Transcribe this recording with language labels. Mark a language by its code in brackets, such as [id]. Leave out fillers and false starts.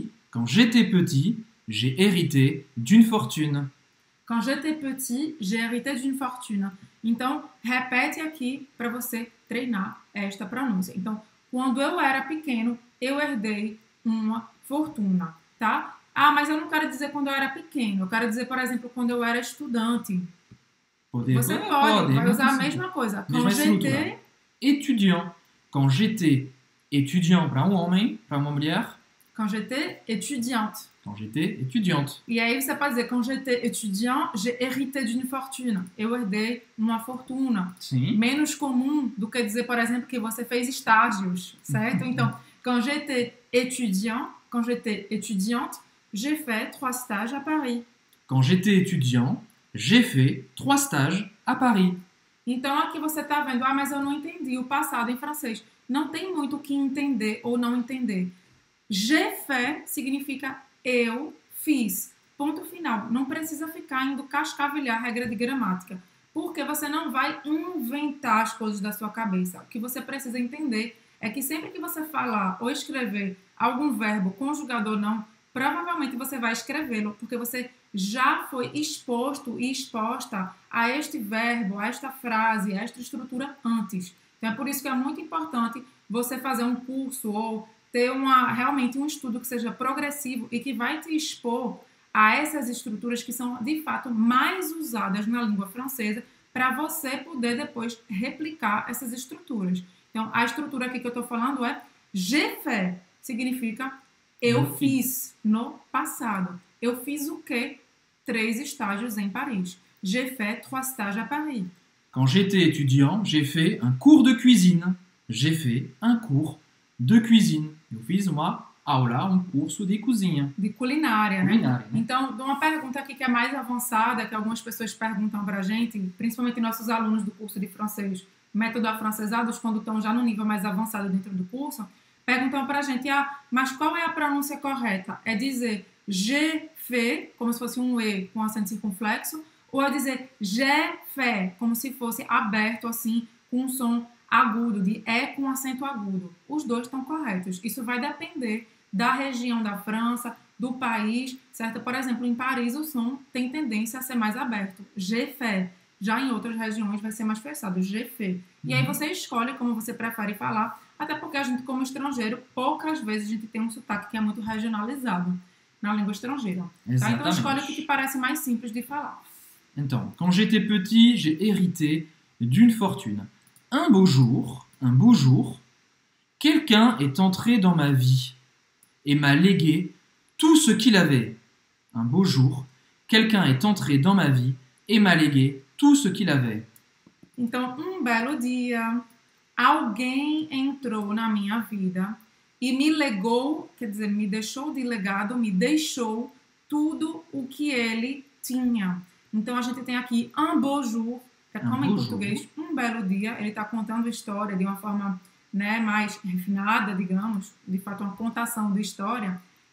[fr] Quand j'étais petit, j'ai hérité d'une fortune. Quand j'étais petit, j'ai hérité d'une fortune. [pt] Então, repete aqui para você treinar esta pronúncia. Então, quando eu era pequeno, eu herdei uma fortuna, tá? Ah, mas eu não quero dizer quando eu era pequeno. Eu quero dizer, por exemplo, quando eu era estudante. Você pode usar a mesma coisa. Étudiant. [fr] Quand j'étais étudiant [pt] para um homem, para uma mulher. [fr] Quand j'étais étudiante. [pt] E aí você pode dizer, [fr] quand j'étais étudiant, j'ai hérité d'une fortune. [pt] Eu herdei uma fortuna. Sim. Menos comum do que dizer, por exemplo, que você fez estágios, certo? [fr] Então, quand j'étais étudiante, j'ai fait trois stages à Paris. Quand j'étais étudiant, j'ai fait trois stages à Paris. [pt] Então, aqui você está vendo, ah, mas eu não entendi o passado em francês. Não tem muito o que entender ou não entender. [fr] J'ai fait [pt] significa eu fiz. Ponto final. Não precisa ficar indo cascavilhar a regra de gramática. Porque você não vai inventar as coisas da sua cabeça. O que você precisa entender é que sempre que você falar ou escrever algum verbo conjugado ou não, provavelmente você vai escrevê-lo, porque você já foi exposto e exposta a este verbo, a esta frase, a esta estrutura antes. Então, é por isso que é muito importante você fazer um curso ou ter uma, realmente um estudo que seja progressivo e que vai te expor a essas estruturas que são, de fato, mais usadas na língua francesa para você poder depois replicar essas estruturas. Então, a estrutura aqui que eu estou falando é [fr] j'ai fait, [pt] significa eu fiz no passado. Eu fiz o quê? Três estágios em Paris. [fr] J'ai fait trois stages à Paris. Quand j'étais étudiant, j'ai fait un cours de cuisine. J'ai fait un cours de cuisine. [pt] Eu fiz uma aula, um curso de cozinha. De culinária, né? Culinária, né? Então, uma pergunta aqui que é mais avançada, que algumas pessoas perguntam pra gente, principalmente nossos alunos do curso de francês. método afrancesados quando estão já no nível mais avançado dentro do curso, perguntam para a gente, ah, mas qual é a pronúncia correta? É dizer [fr] je fais, [pt] como se fosse um E com acento circunflexo, ou é dizer je fais, como se fosse aberto assim, com um som agudo, de E com acento agudo. Os dois estão corretos. Isso vai depender da região da França, do país, certo? Por exemplo, em Paris, o som tem tendência a ser mais aberto. [fr] Je fais. [pt] Já em outras regiões vai ser mais fechado, [fr] je fais. [pt] E aí você escolhe como você prefere falar, até porque a gente, como estrangeiro, poucas vezes a gente tem um sotaque que é muito regionalizado na língua estrangeira. Tá? Então escolhe o que te parece mais simples de falar. [fr] Então, quand j'étais petit, j'ai hérité d'une fortune. Un beau jour, quelqu'un est entré dans ma vie et m'a légué tout ce qu'il avait. Un beau jour, quelqu'un est entré dans ma vie et m'a légué tout ce qu'il avait. [pt] Então, belo dia, alguém entrou na minha vida e me legou, quer dizer, me deixou de legado, me deixou tudo o que ele tinha. Então, a gente tem aqui [fr] un beau jour, [pt] que é como em português, um belo dia, ele está contando história de uma forma, né, mais refinada, digamos, de fato, uma contação de história.